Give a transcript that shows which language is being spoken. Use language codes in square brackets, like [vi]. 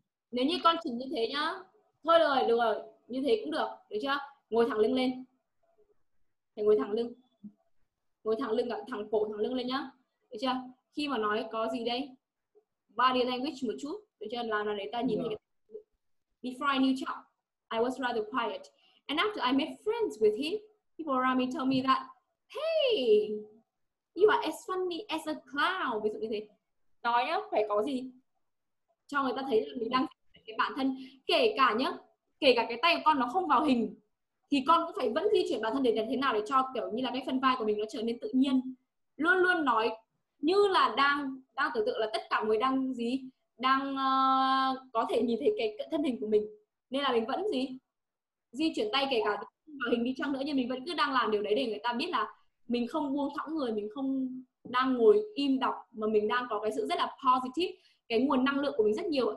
[vi] Nếu như con chỉnh như thế nhá. Thôi được rồi, như thế cũng được chưa? Ngồi thẳng lưng lên. Thì ngồi thẳng lưng. Ngồi thẳng lưng, thẳng cổ thẳng lưng lên nhá. Được chưa? Khi mà nói có gì đây? Body language một chút, để cho làm nào để ta nhìn thấy. [en] Before I knew Chuck, I was rather quiet. And after I made friends with him, people around me told me that, hey, you are as funny as a clown. [vi] Ví dụ như thế. Nói nhá, phải có gì cho người ta thấy là mình đang cái bản thân. Kể cả nhá, kể cả cái tay của con nó không vào hình, thì con cũng phải vẫn di chuyển bản thân để thế nào để cho kiểu như là cái phần vai của mình nó trở nên tự nhiên. Luôn luôn nói như là đang tưởng tượng là tất cả người đang gì đang có thể nhìn thấy cái thân hình của mình, nên là mình vẫn gì di chuyển tay kể cả vào hình đi chăng nữa, nhưng mình vẫn cứ đang làm điều đấy để người ta biết là mình không buông thõng người, mình không đang ngồi im đọc, mà mình đang có cái sự rất là positive, cái nguồn năng lượng của mình rất nhiều.